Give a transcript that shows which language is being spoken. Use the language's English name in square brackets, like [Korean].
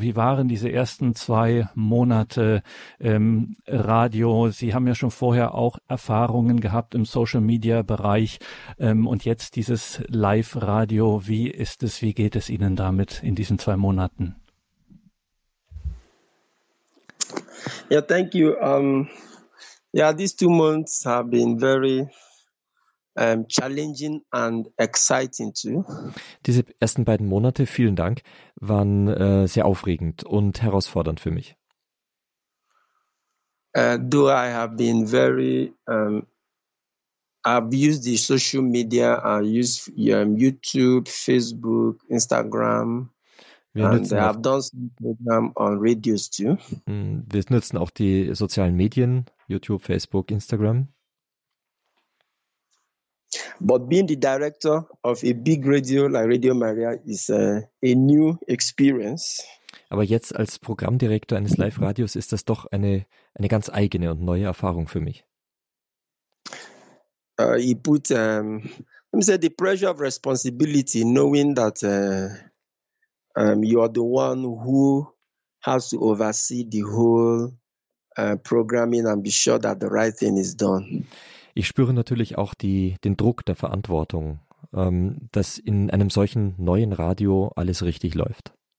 [German] Wie waren diese ersten zwei Monate Radio? Sie haben ja schon vorher auch Erfahrungen gehabt im Social-Media-Bereich und jetzt dieses Live-Radio. Wie ist es, wie geht es Ihnen damit in diesen zwei Monaten? [English] Yeah, thank you. Yeah, these 2 months have been very challenging and exciting too. [German] Diese ersten beiden Monate, vielen Dank, waren sehr aufregend und herausfordernd für mich. [English] Though I have been very I've used the social media, I use YouTube, Facebook, Instagram. [German] Wir nutzen auch die sozialen Medien, YouTube, Facebook, Instagram. [English] But being the director of a big radio like Radio Maria is a new experience. [German] Aber jetzt als Programmdirektor eines Live-Radios ist das doch eine ganz eigene und neue Erfahrung für mich. [English] Let me say the pressure of responsibility, knowing that you are the one who has to oversee the whole programming and be sure that the right thing is done. [German] Ich spüre natürlich auch den Druck der Verantwortung, dass in einem solchen neuen Radio alles richtig läuft.